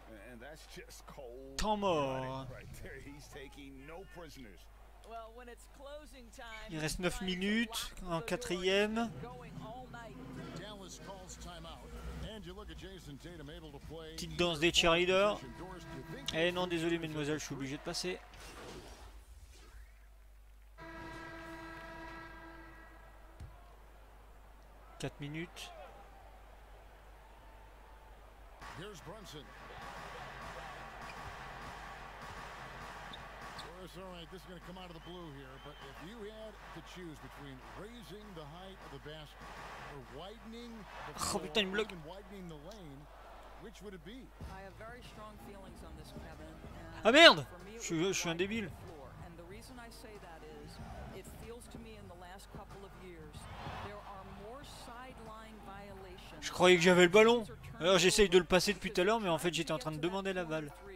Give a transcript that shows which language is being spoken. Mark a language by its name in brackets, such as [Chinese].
[English] And that's just cold. Tomo. Right there, he's taking no prisoners. Well, when it's closing time, [French] il reste 9 minutes en quatrième. [English] Dallas calls timeout. And you look at Jason Tatum able to play. [French] Petite danse des cheerleaders. Eh non, désolé mademoiselle, je suis obligé de passer. Quatre minutes. [English] Here's Brunson. All right, this is going to come out of the blue here, but if you had to choose between raising the height of the basket or widening the floor, oh, look. Even widening the lane, which would it be? I have very strong feelings on this, Kevin. [French] Ah merde, je suis un débile. [English] And the reason I say that is it feels to me in the last couple of years there are more sideline violations. [French] Je croyais que j'avais le ballon. Alors j'essaye de le passer depuis tout à l'heure, mais en fait j'étais en train de demander la balle.